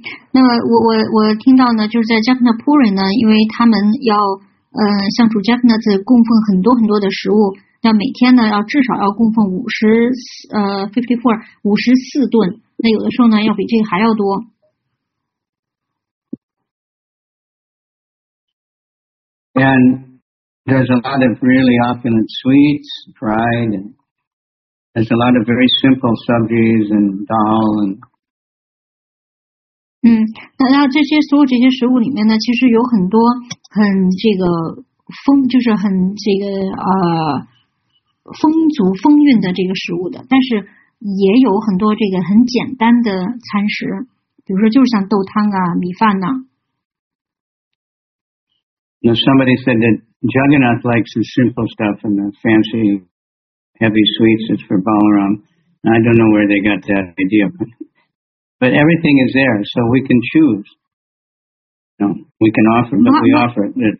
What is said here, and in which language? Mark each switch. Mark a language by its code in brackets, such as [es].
[zh] 那我听到呢，就是在 Jagannath Puri 呢，因为他们要向主 Jagannath 供奉很多很多的食物，那每天呢要至少要供奉54顿，那有的时候呢要比这个还要多。 [en] And there's a lot of really opulent sweets, fried and. There's a lot of very simple subjects and dal and. [zh] 那这些所有这些食物里面呢，其实有很多很这个丰，就是很这个丰足丰韵的这个食物的，但是也有很多这个很简单的餐食，比如说就是像豆汤啊、米饭呐、啊。 [en] Now somebody said that Jagannath likes the simple stuff and the fancy. Heavy sweets is for Balaram. I don't know where they got that idea. But everything is there, so we can choose. No, we can offer, but we offer it.